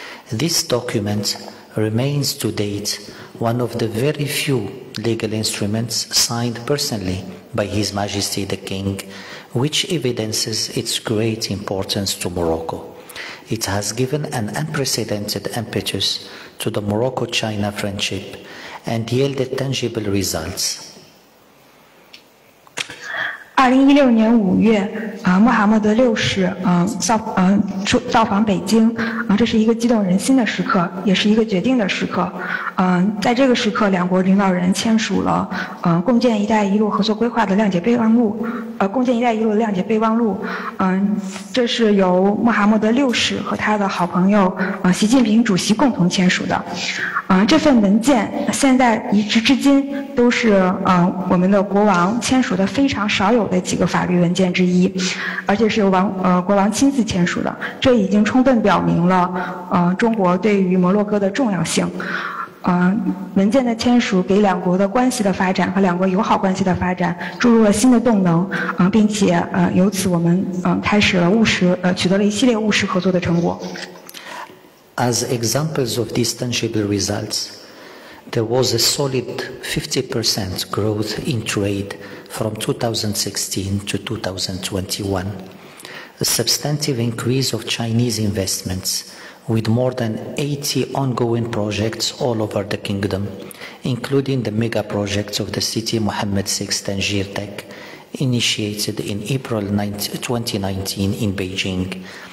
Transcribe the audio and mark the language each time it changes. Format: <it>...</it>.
<en>This document remains to date one of the very few legal instruments signed personally by His Majesty the King, which evidences its great importance to Morocco. It has given an unprecedented impetus to the Morocco-China friendship and yielded tangible results.</en> <zh>2016年5月，穆罕默德六世造访北京，这是一个激动人心的时刻，也是一个决定的时刻。在这个时刻，两国领导人签署了共建“一带一路”合作规划的谅解备忘录，共建“一带一路”的谅解备忘录。这是由穆罕默德六世和他的好朋友习近平主席共同签署的。这份文件现在一直至今都是我们的国王签署的非常少有的几个法律文件之一，而且是由国王亲自签署的。这已经充分表明了中国对于摩洛哥的重要性。文件的签署给两国的关系的发展和两国友好关系的发展注入了新的动能，并且由此我们开始了务实取得了一系列务实合作的成果。</zh> <en>As examples of these tangible results, there was a solid 50% growth in trade from 2016 to 2021, a substantive increase of Chinese investments with more than 80 ongoing projects all over the kingdom, including the mega projects of the city Mohammed VI Tangier Tech, initiated in April 2019 in Beijing.</en>